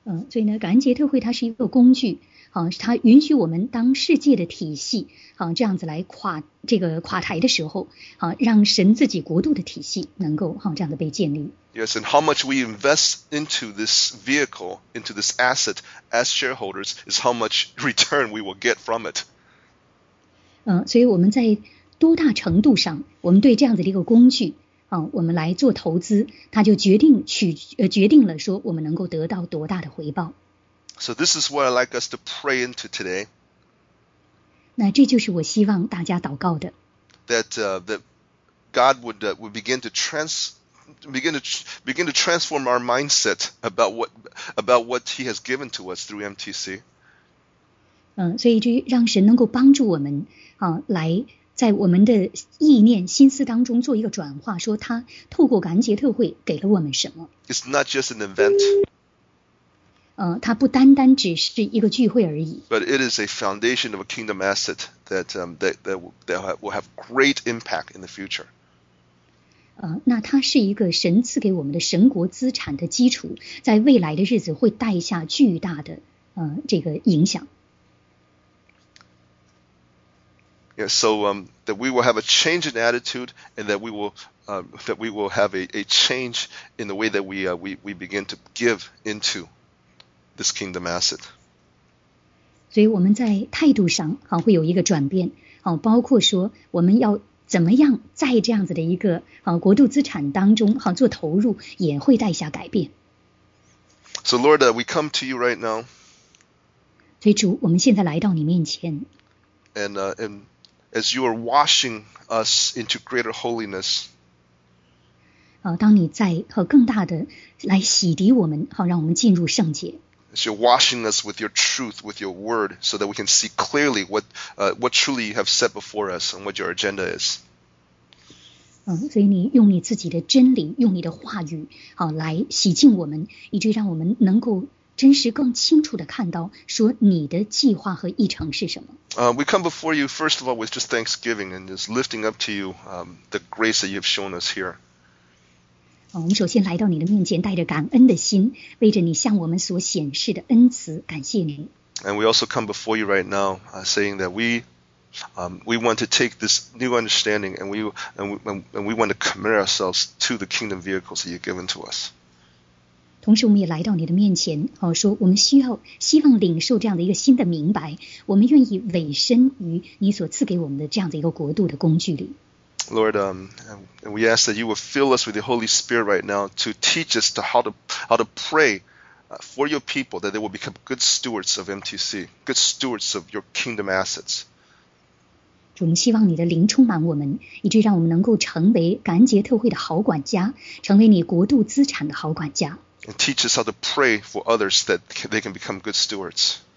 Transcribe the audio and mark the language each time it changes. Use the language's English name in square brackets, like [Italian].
[Chinese] 所以呢，感恩节特会它是一个工具，它允许我们当世界的体系，这样子来垮台的时候，让神自己国度的体系能够这样子被建立。 [English] Yes, and how much we invest into this vehicle, into this asset as shareholders, is how much return we will get from it. [Chinese] 所以我们在多大程度上我们对这样子的一个工具我们来做投资，它就决定了说我们能够得到多大的回报。 [English] So this is what I'd like us to pray into today. [Chinese] 那这就是我希望大家祷告的。 [English] That God would begin to transform our mindset about what he has given to us through MTC. [Chinese] 所以就让神能够帮助我们来在我们的意念心思当中做一个转化，说他透过感恩节特会给了我们什么。 [English] It's not just an event. [Chinese] 它不单单只是一个聚会而已。 [English] But it is a foundation of a kingdom asset that will have great impact in the future. [Chinese] 那它是一个神赐给我们的神国资产的基础，在未来的日子会带下巨大的这个影响。 [English] Yeah, so that we will have a change in attitude, and that we will have a change in the way that we begin to give into this kingdom asset. [Chinese] 所以我们在态度上会有一个转变包括说我们要怎么样在这样子的一个国度资产当中做投入，也会带下改变。 [English] So Lord, we come to you right now. [Chinese] 所以主，我们现在来到你面前。 [English] And as you are washing us into greater holiness. [Chinese] 当你在更大的来洗涤我们让我们进入圣洁。 [English] As you're washing us with your truth, with your word, so that we can see clearly what truly you have set before us and what your agenda is. [Chinese] 所以你用你自己的真理，用你的话语来洗净我们，以至于让我们能够真实更清楚地看到说你的计划和议程是什么。 [English] We come before you first of all with just thanksgiving and just lifting up to you the grace that you have shown us here. [Chinese] 我们首先来到你的面前带着感恩的心，为着你向我们所显示的恩慈感谢你。 [English] And we also come before you right now saying that we want to take this new understanding and we want to commit ourselves to the kingdom vehicles that you've given to us. [Chinese] 同时我们也来到你的面前、哦、说我们需要希望领受这样的一个新的明白，我们愿意委身于你所赐给我们的这样的一个国度的工具里。 [English] Lord, we ask that you will fill us with the Holy Spirit right now to teach us to how to pray for your people, that they will become good stewards of MTC, good stewards of your kingdom assets. [Chinese] 主，我们希望你的灵充满我们，以致让我们能够成为感恩节特会的好管家，成为你国度资产的好管家。 [English] And teach us how to pray for others that they can become good stewards.